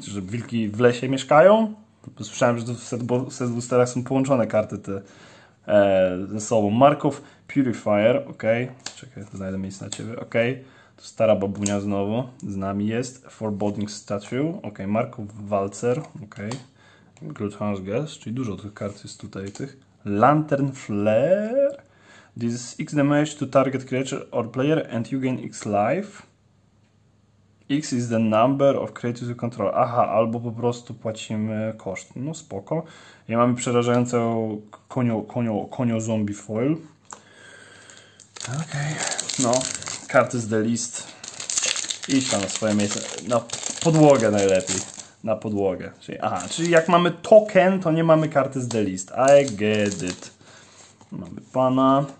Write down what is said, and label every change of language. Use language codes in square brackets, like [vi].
[pl] Że wilki w lesie mieszkają? Słyszałem, że w setboosterach są połączone karty te ze sobą. Markov Purifier, okej. Okay. Czekaj, znajdę miejsce na ciebie, okej. Okay. To stara babunia znowu z nami jest. Foreboding Statue. Ok, Markov Walzer. Ok. Glutton's Guest, czyli dużo tych kart jest tutaj. Tych. Lantern Flare. [en] This is X damage to target creature or player and you gain X life. X is the number of creatures you control. [pl] Aha, albo po prostu płacimy koszt. No spoko. Ja mamy przerażającą konio zombie foil. Ok, no. Karty z The List. Iść tam na swoje miejsce. Na podłogę najlepiej. Na podłogę. Czyli jak mamy token, to nie mamy karty z The List. [en] I get it. [pl] Mamy pana.